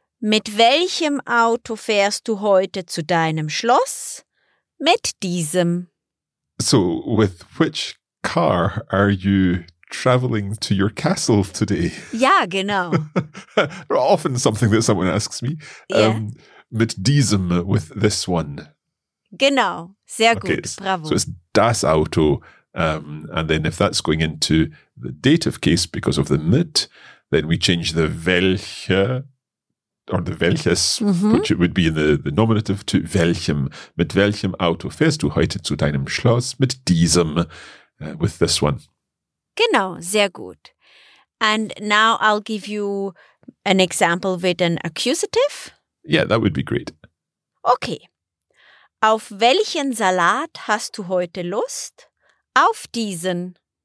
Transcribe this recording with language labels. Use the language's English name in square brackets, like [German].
[German] Mit welchem Auto fährst du heute zu deinem Schloss? Mit diesem. [English] So with which car are you traveling to your castle today? [German] Ja, genau. [English] Often something that someone asks me. Yeah. [German] Mit diesem, [English] with this one. [German] Genau, sehr gut, okay, bravo. [English] So it's [German] das Auto. [English] And then if that's going into the dative case because of the mit, then we change the welche or the welches, which it would be in the nominative, to welchem. [German] Mit welchem Auto fährst du heute zu deinem Schloss? Mit diesem, [English] with this one. [German] Genau, sehr gut. [English] And now I'll give you an example with an accusative. Yeah, that would be great. [German] Okay. Auf welchen Salat hast du heute Lust? Auf diesen.